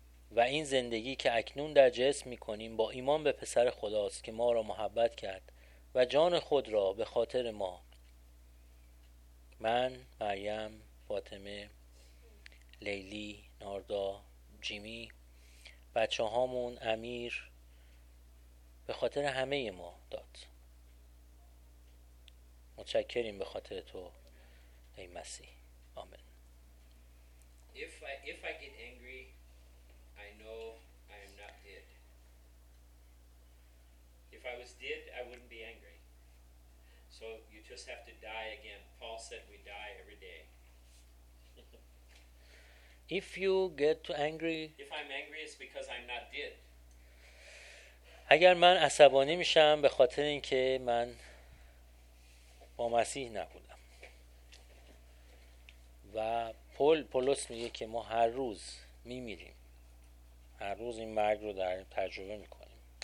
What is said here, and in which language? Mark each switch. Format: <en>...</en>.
<fa>و این زندگی که اکنون در جسم می کنیم با ایمان به پسر خداست که ما را محبت کرد و جان خود را به خاطر ما، من، مریم، فاطمه، لیلی، ناردا، جیمی، بچه هامون، امیر، به خاطر همه ما داد. متشکریم به خاطر تو ای مسیح. آمین.</fa> <en>If I get angry, I know I am not dead. If I was dead, I wouldn't be angry. So you just have to die again. Paul said we die every day. If you get too angry, if I'm angry, it's because I'm not dead.</en> <fa>اگر من عصبانی میشم به خاطر اینکه من با مسیح نبودم. و پولس میگه که ما هر روز میمیریم، هر روز این مرگ رو در تجربه میکنیم.</fa>